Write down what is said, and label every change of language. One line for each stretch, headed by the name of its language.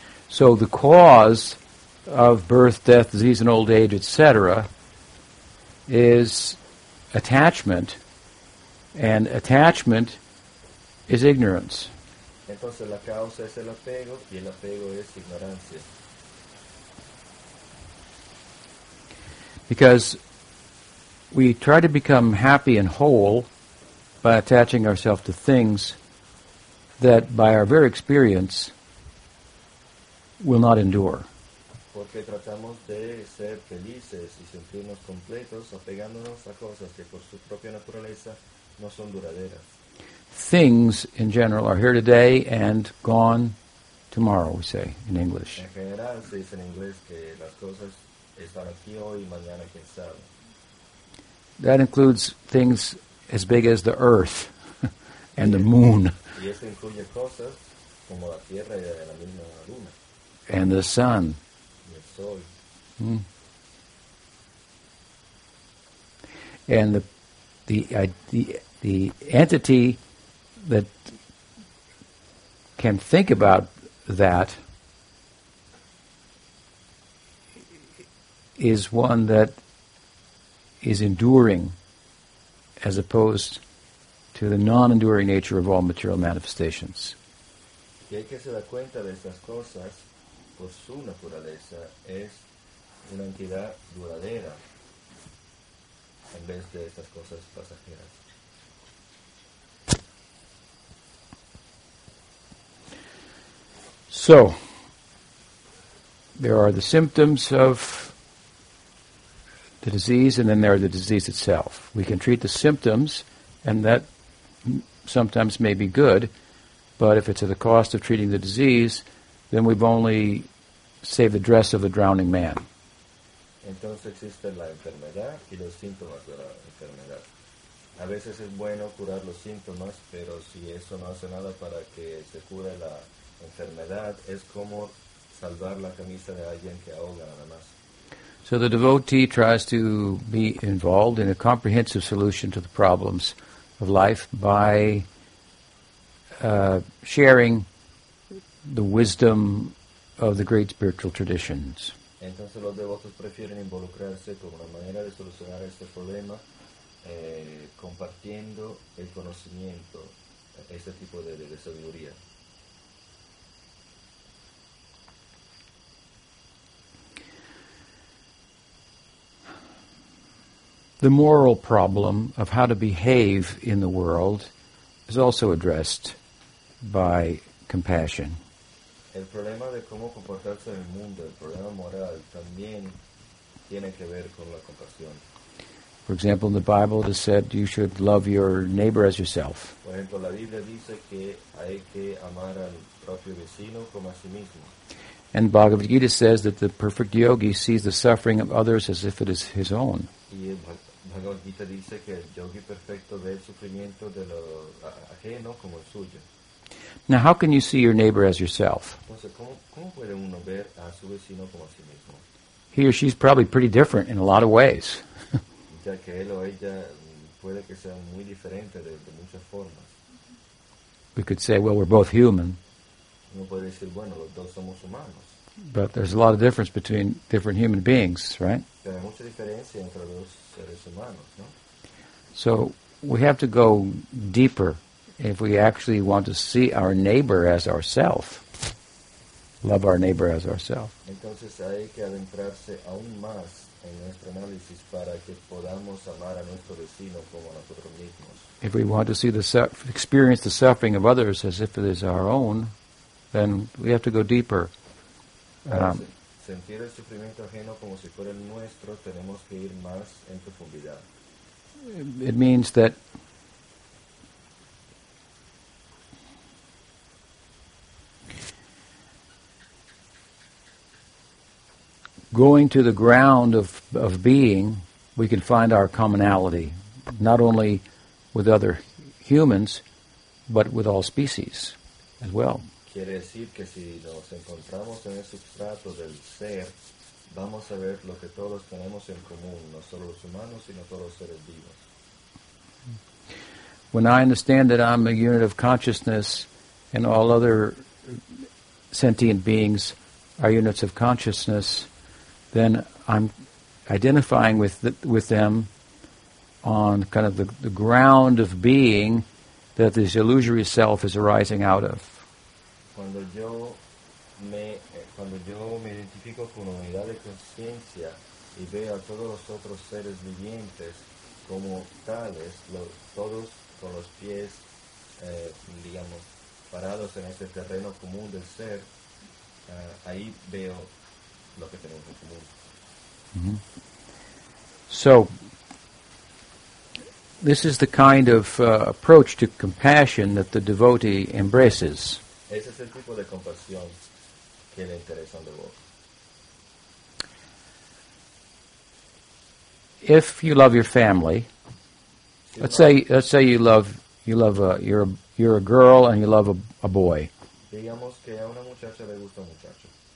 English: So the cause of birth, death, disease, and old age, etc., is attachment, and attachment is ignorance.
Spanish: Entonces la causa es el apego, y el apego es ignorancia.
English: Because we try to become happy and whole by attaching ourselves to things that, by our very experience, will not endure.
Spanish: Porque tratamos de ser felices y sentirnos completos apegándonos a cosas que por su propia naturaleza no son duraderas.
English: Things in general are here today and gone tomorrow, we say in English.
Spanish: En general se dice en inglés que las cosas están aquí hoy y mañana quién sabe.
English: That includes things as big as the earth and the moon.
Spanish: Y eso incluye cosas como la tierra y la misma luna.
English: And the sun. Yes, so. And the entity that can think about that is one that is enduring as opposed to the non-enduring nature of all material manifestations.
Spanish: Y hay que se da cuenta de estas cosas por su naturaleza es una entidad duradera en vez de estas cosas pasajeras.
English: So, there are the symptoms of the disease, and then there are the disease itself. We can treat the symptoms, and that sometimes may be good, but if it's at the cost of treating the disease, then we've only saved the dress of the drowning man.
Spanish: Entonces existe la enfermedad y los síntomas de la enfermedad. A veces es bueno curar los síntomas, pero si eso no hace nada para que se cure la enfermedad, es como salvar la camisa de alguien que ahoga nada más.
English: So the devotee tries to be involved in a comprehensive solution to the problems of life by sharing the wisdom of the great spiritual traditions.
Spanish: Entonces los devotos prefieren involucrarse como una manera de solucionar este problema compartiendo el conocimiento, este tipo de sabiduría.
English: The moral problem of how to behave in the world is also addressed by compassion.
Spanish: El problema de cómo comportarse en el mundo, el problema moral, también tiene que ver con la compasión.
English: For example, in the Bible it is said you should love your neighbor as yourself.
Spanish: Por ejemplo, la Biblia dice que hay que amar al propio vecino como a sí mismo.
English: And Bhagavad Gita says that the perfect yogi sees the suffering of others as if it is his own.
Spanish: Y Bhagavad Gita dice que el yogi perfecto ve el sufrimiento de lo ajeno como el suyo.
English: Now, how can you see your neighbor as yourself?
Spanish: ¿Cómo puede uno ver a su vecino como a sí mismo?
English: He or she's probably pretty different in a lot of ways.
Spanish: Ya que él o ella puede que sea muy diferente de muchas formas.
English: We could say, well, we're both human.
Spanish: Uno puede decir, bueno, los dos somos humanos.
English: But there's a lot of difference between different human beings, right?
Spanish: Pero hay mucha diferencia entre los seres humanos, ¿no?
English: So we have to go deeper if we actually want to see our neighbor as ourself, love our neighbor as ourself.
Spanish: Entonces hay que adentrarse aún más en nuestro análisis para que podamos amar a nuestro vecino como a nosotros mismos.
English: If we want to see experience the suffering of others as if it is our own, then we have to go deeper.
Spanish: Sentir el sufrimiento ajeno como si fuera el nuestro, tenemos que ir más en profundidad.
English: It means that going to the ground of being, we can find our commonality, not only with other humans, but with all species as well.
Spanish: Quiere decir que si nos encontramos en el substrato del ser, vamos a ver lo que todos tenemos en común, no solo los humanos, sino todos los seres vivos.
English: When I understand that I'm a unit of consciousness and all other sentient beings are units of consciousness, then I'm identifying with them on kind of the ground of being that this illusory self is arising out of.
Spanish: Cuando yo me identifico con una unidad de conciencia y veo a todos los otros seres vivientes como tales, todos con los pies, digamos, parados en ese terreno común del ser, ahí veo lo que tenemos en común. Mm-hmm.
English: So, this is the kind of approach to compassion that the devotee embraces.
Spanish: Ese es el tipo de compasión que le interesa al devoto.
English: If you love your family, let's say you're a girl and you love a boy.
Spanish: Digamos que a una muchacha le gusta un muchacho.